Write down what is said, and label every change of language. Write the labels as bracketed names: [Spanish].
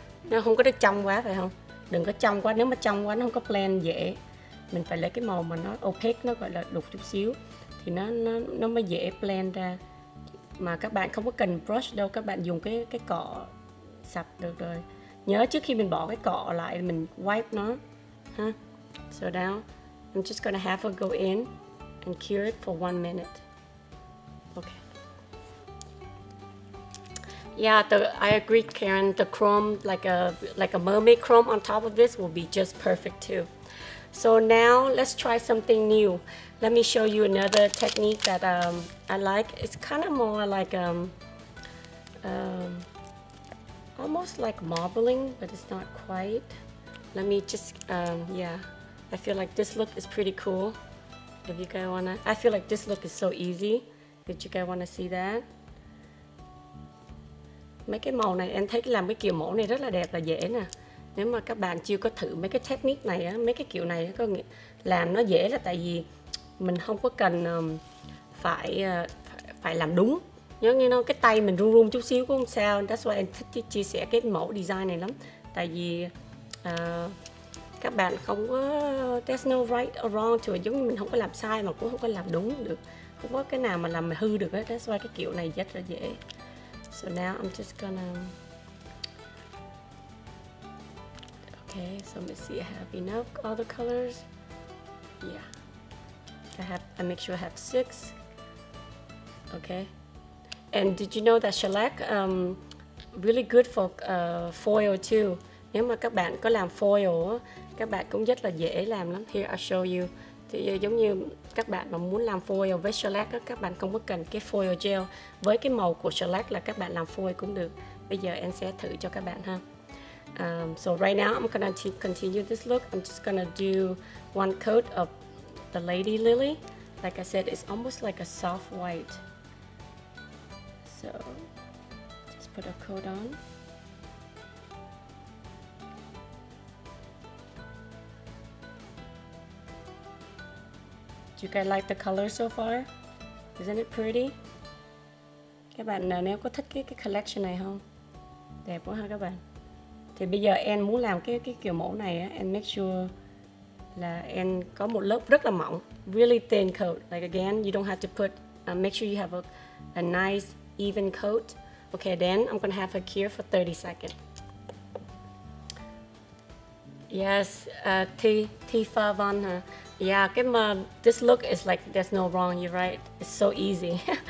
[Vietnamese] Nó không có được trong quá phải không? Đừng có trong quá, nếu mà trong quá nó không có blend dễ. Mình phải lấy cái màu mà nó opaque, nó gọi là đục chút xíu thì nó mới dễ blend ra. Mà các bạn không có cần brush đâu, các bạn dùng cái cọ sạch được rồi. Nhớ trước khi mình bỏ cái cọ lại mình wipe nó ha. [English] So now I'm just gonna have her go in and cure it for 1 minute. Okay. Yeah, I agree, Karen. The chrome, like a mermaid chrome on top of this, will be just perfect too. So now let's try something new. Let me show you another technique that I like. It's kind of more like almost like marbling, but it's not quite. Let me just I feel like this look is pretty cool. If you guys wanna, I feel like this look is so easy. Did you guys wanna see that? [Vietnamese] Mấy cái màu này em thấy làm cái kiểu mẫu này rất là đẹp, là dễ nè. Nếu mà các bạn chưa có thử mấy cái technique này á, mấy cái kiểu này á, có nghĩa làm nó dễ là tại vì mình không có cần phải làm đúng. Nhớ như nó cái tay mình run run chút xíu cũng không sao. [English] That's why [Vietnamese] em thích chia sẻ cái mẫu design này lắm. Tại vì các bạn không có [English] there's no right or wrong to it. [Vietnamese] Giống như mình không có làm sai mà cũng không có làm đúng được. Không có cái nào mà làm hư được á. [English] That's why [Vietnamese] cái kiểu này rất là dễ. [English] So now I'm just gonna. Okay, so let me see. I have enough all the colors. Yeah, I make sure I have 6. Okay, and did you know that shellac really good for foil too? [Vietnamese] Nếu mà các bạn có làm foil, các bạn cũng rất là dễ làm lắm. [English] Here I show you. [Vietnamese] Thì giống như các bạn mà muốn làm foil với shellac á, các bạn không có cần cái foil gel. Với cái màu của shellac là các bạn làm foil cũng được. Bây giờ em sẽ thử cho các bạn ha. [English] So right now I'm gonna continue this look. I'm just gonna do one coat of the lady lily. Like I said, it's almost like a soft white. So just put a coat on. Do you guys like the color so far? Isn't it pretty? [Vietnamese] Các bạn nếu có thích cái collection này không? Đẹp quá ha các bạn. Thì bây giờ em muốn làm cái kiểu mẫu này á, em [English] make sure [Vietnamese] là em có một lớp rất là mỏng, [English] really thin coat. Like again, you don't have to put make sure you have a nice even coat. Okay, then I'm gonna have her cure for 30 seconds. Yes, Tifa Van, huh? Yeah, this look is like, there's no wrong, you're right. It's so easy.